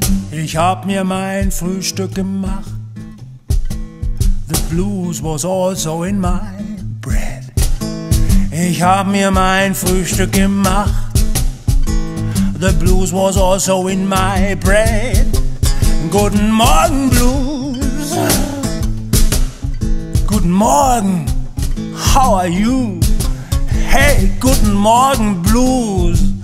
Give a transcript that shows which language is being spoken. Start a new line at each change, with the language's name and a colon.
German: Ich hab mir mein Frühstück gemacht.
English: The blues was also in my bread.
German: Ich hab mir mein Frühstück gemacht.
English: The blues was also in my bread.
German: Guten Morgen, Blues. Guten Morgen,
English: how are you? Hey,
German: guten Morgen, Blues.